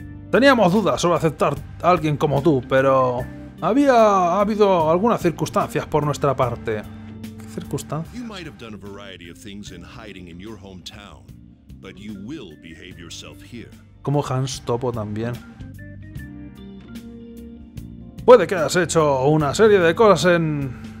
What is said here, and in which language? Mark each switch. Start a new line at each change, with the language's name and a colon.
Spanish: Teníamos dudas sobre aceptar a alguien como tú, pero... Ha habido algunas circunstancias por nuestra parte. ¿Qué circunstancias?
English: You might have done a variety of things in hiding in your hometown, but you will behave yourself here.
Spanish: Como Hans Topo también. Puede que hayas hecho una serie de cosas en...